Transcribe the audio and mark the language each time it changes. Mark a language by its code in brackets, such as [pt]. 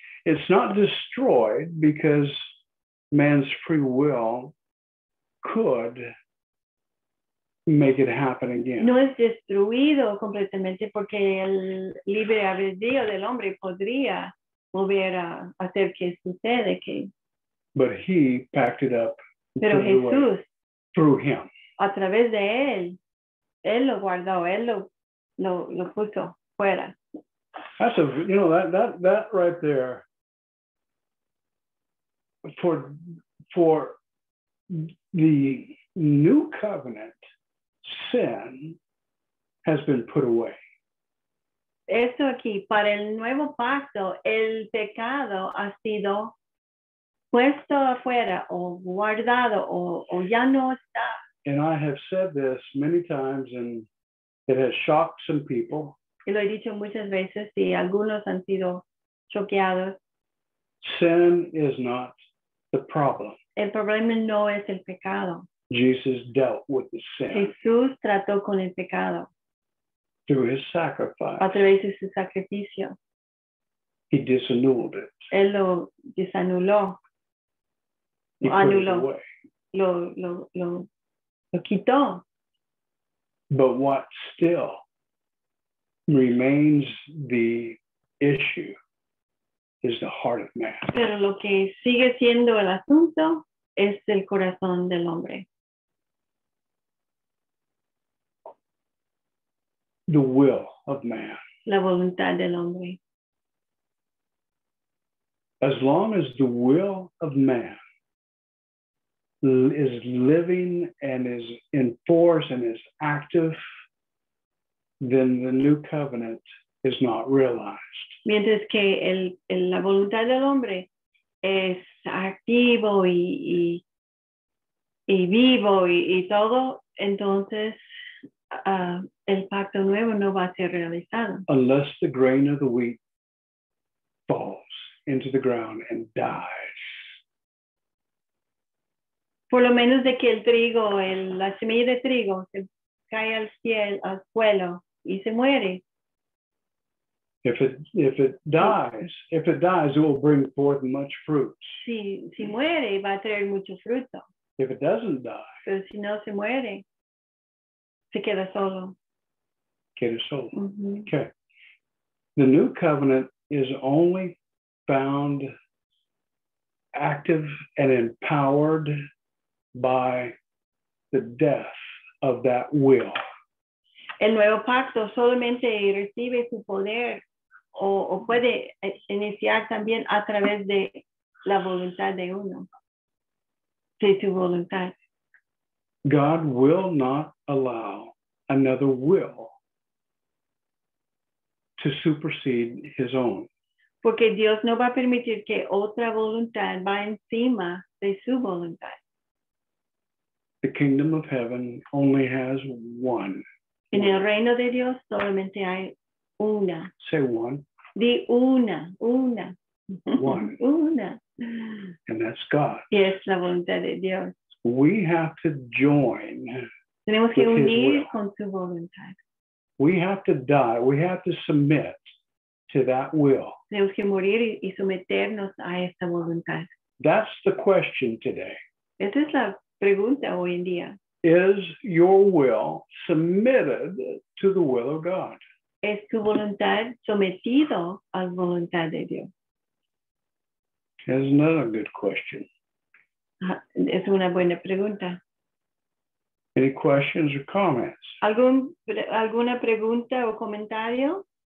[en] It's not destroyed because man's free will could make it happen again. [es] No es destruido completamente porque el libre albedrío del hombre podría volver a hacer que sucede que. [en] But he packed it up. [es] Pero Jesús. [en] Through him. [es] A través de él. Él lo guardó. Él lo puso fuera. [en] That's a, you know, that right there. For the new covenant, sin has been put away. [es] Esto aquí, para el nuevo pacto, el pecado ha sido puesto afuera o guardado o ya no está. [en] And I have said this many times and it has shocked some people. [es] Y lo he dicho muchas veces y algunos han sido choqueados. [en] Sin is not the problem. [es] El problema no es el pecado. [en] Jesus dealt with the sin. [es] Jesús trató con el pecado. [en] Through his sacrifice. [es] A través de su sacrificio. [en] He disannulled it. [es] Él lo desanuló. Anuló. Lo quitó. [en] But what still remains the issue is the heart of man. [es] Pero lo que sigue siendo el asunto es el corazón del hombre. [en] The will of man. [es] La voluntad del hombre. [en] As long as the will of man is living and is in force and is active, then the new covenant is not realized. [es] Mientras que la voluntad del hombre es activo y vivo y todo, entonces el pacto nuevo no va a ser realizado. [en] Unless the grain of the wheat falls into the ground and dies. [es] Por lo menos de que el trigo, la semilla de trigo, se cae al suelo y se muere. [en] If it dies, it will bring forth much fruit. [es] Si muere, va a traer mucho fruto. [en] If it doesn't die. [es] Pero si no se muere, se queda solo. Queda solo. Mm-hmm. Okay. [en] The new covenant is only found active and empowered by the death of that will. [es] El nuevo pacto solamente recibe su poder o puede iniciar también a través de la voluntad de uno, de su voluntad. [en] God will not allow another will to supersede his own. [es] Porque Dios no va a permitir que otra voluntad va encima de su voluntad. [en] The kingdom of heaven only has one. [es] En el reino de Dios solamente hay una. [en] Say one. [es] Di una, una. [en] One. [es] Una. [en] And that's God. [es] Y es la voluntad de Dios. [en] We have to join. [es] Tenemos que unir con su voluntad. [en] We have to die. We have to submit to that will. [es] Tenemos que morir y someternos a esta voluntad. [en] That's the question today. [es] Esa es la pregunta hoy en día. [en] Is your will submitted to the will of God? [es] ¿Es tu voluntad sometido a la voluntad de Dios? [en] That's another good question. [es] Es una buena pregunta. [en] Any questions or comments? [es] ¿Alguna pregunta o comentario?